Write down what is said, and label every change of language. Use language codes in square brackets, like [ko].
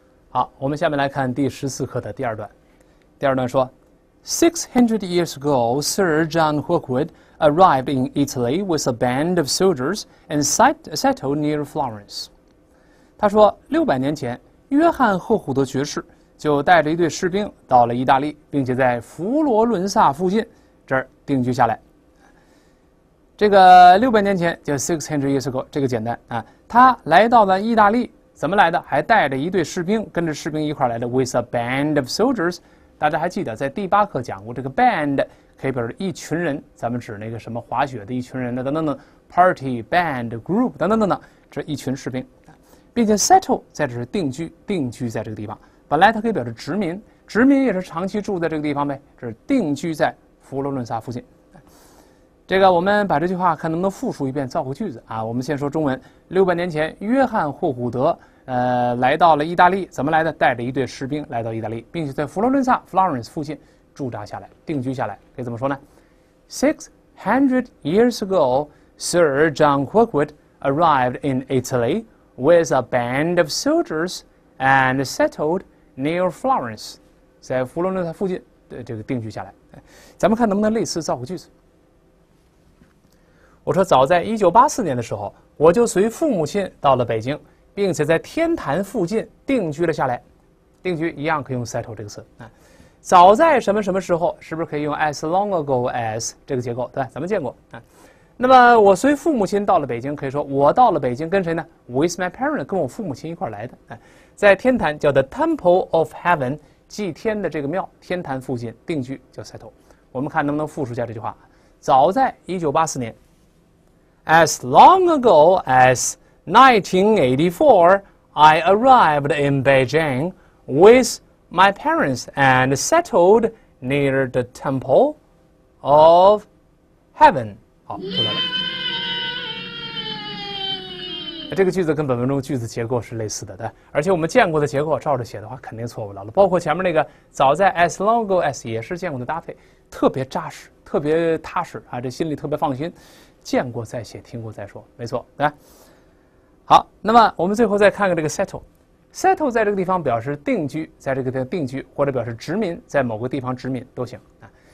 [zh] 好，我们下面来看第十四课的第二段。第二段说 [en] ，600 years ago, Sir John Hookwood arrived in Italy with a band of soldiers and settled near Florence. [zh] 他说，600年前，约翰·霍胡德爵士就带着一队士兵到了意大利，并且在佛罗伦萨附近这儿定居下来。这个600年前就 [en] 600 years ago， [zh] 这个简单啊。他来到了意大利，怎么来的？还带着一队士兵，跟着士兵一块来的。 [en] With a band of soldiers， [zh] 大家还记得在第八课讲过这个 band 可以表示一群人，咱们指那个什么滑雪的一群人的等等等 ， [en] party band group [zh] 等等等等，这一群士兵，并且 settle 在这是定居，定居在这个地方。本来它可以表示殖民，殖民也是长期住在这个地方呗，这是定居在佛罗伦萨附近。这个我们把这句话看能不能复述一遍，造个句子啊。我们先说中文，600年前约翰霍胡德来到了意大利，怎么来的？带着一队士兵来到意大利，并且在佛罗伦萨 Florence 附近驻扎下来，定居下来，可以怎么说呢？ [en] 600 years ago Sir John Hookwood arrived in Italy with a band of soldiers and settled near Florence， [zh] 在佛罗伦萨附近的这个定居下来。咱们看能不能类似造个句子。我说，早在1984年的时候，我就随父母亲到了北京，并且在天坛附近定居了下来。定居一样可以用 settle 这个词。早在什么什么时候，是不是可以用 [en] as long ago as [zh] 这个结构，对吧？咱们见过。那么我随父母亲到了北京，可以说我到了北京跟谁呢？ [en] With my parents， [zh] 跟我父母亲一块来的。在天坛叫 [en] the temple of heaven， [zh] 祭天的这个庙，天坛附近定居叫 settle。我们看能不能复述一下这句话。早在1984年， [en] As long ago as 1984 I arrived in Beijing with my parents and settled near the temple of heaven。 [zh] 好，出来了。这个句子跟本文中句子结构是类似的，对，而且我们见过的结构照着写的话肯定错不了了。包括前面那个早在 [en] as long ago as [zh] 也是见过的搭配，特别扎实，特别踏实啊，这心里特别放心。见过再写，听过再说，没错，对。好，那么我们最后再看看这个 settle 在这个地方表示定居，在这个地方定居，或者表示殖民，在某个地方殖民都行啊。